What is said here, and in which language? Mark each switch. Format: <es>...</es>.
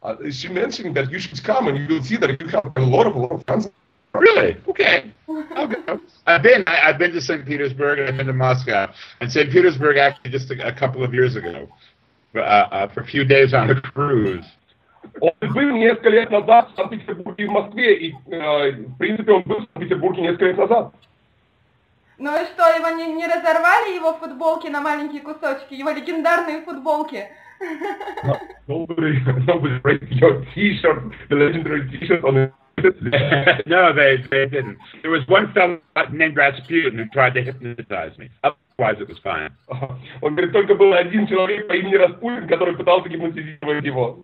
<en>She mentioned that you should come, and you'll see that you have a lot of fans. Really? Okay. Okay. I've been to St. Petersburg, and I've been to Moscow. And St. Petersburg actually just a couple of years ago. for a few days on a cruise.</en> <ru>Он был несколько лет назад в Санкт-Петербурге и в Москве, и, в принципе, он был в Санкт-Петербурге несколько лет назад. Ну и что, его не разорвали, его футболки на маленькие кусочки, его легендарные футболки?</ru> <en>Nobody breaks your t-shirt, the legendary t-shirt on his... No, they didn't. There was one fellow named Rasputin who tried to hypnotize me. Otherwise, it was fine.</en> <ru>Он говорит, только был один человек по имени Распутин, который пытался гипнотизировать его.</ru>